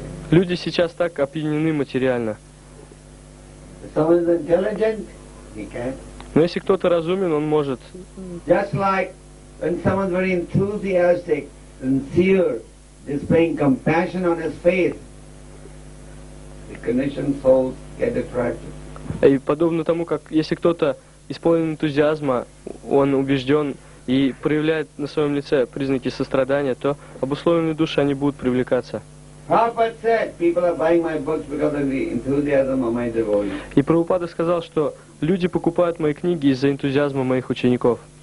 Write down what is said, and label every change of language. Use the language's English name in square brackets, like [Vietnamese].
[Russian] Люди сейчас так опьянены материально. Но если кто-то разумен, он может. [English] Just like when someone very enthusiastic, sincere, displaying compassion on his face, the conditioned souls get attracted. [Russian] И подобно тому, как если кто-то исполнен энтузиазма, он убежден и проявляет на своем лице признаки сострадания, то обусловленные души, они будут привлекаться. И Прабхупада сказал, что люди покупают мои книги из-за энтузиазма моих учеников.